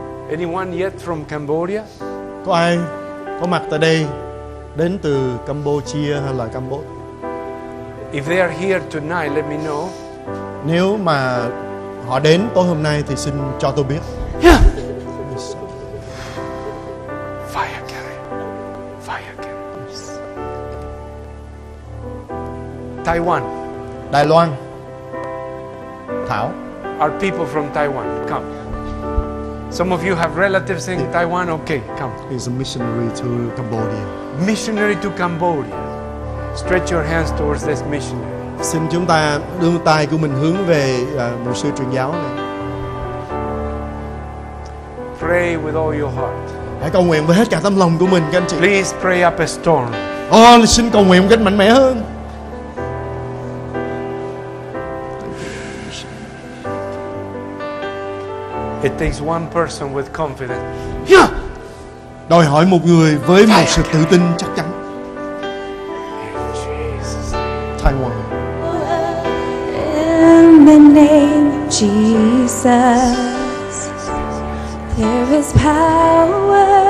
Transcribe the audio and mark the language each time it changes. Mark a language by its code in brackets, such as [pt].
[en] Anyone yet from Cambodia? [vi] Có ai có mặt tại đây đến từ Campuchia hay là Cambodia? [en] If they are here tonight, let me know. [vi] Nếu mà họ đến tối hôm nay thì xin cho tôi biết. [en] Yeah. Fire carrier. Fire carrier. Taiwan. [vi] Đài Loan. Thảo. [en] Our people from Taiwan, come. Some of you have relatives in Taiwan. Okay, come. He's a missionary to Cambodia. Missionary to Cambodia. Stretch your hands towards this missionary. [vi] Xin chúng ta đưa tay của mình hướng về một sư truyền giáo này. [en] Pray with all your heart. [vi] Hãy cầu nguyện với hết cả tâm lòng của mình, các anh chị. [en] Please pray up a storm. [vi] Oh, xin cầu nguyện một cách mạnh mẽ hơn. [en] It takes one person with confidence. Yeah. [vi] Đòi hỏi một người với một sự tự tin chắc chắn. [en] Taiwan. In the name of Jesus, there is power.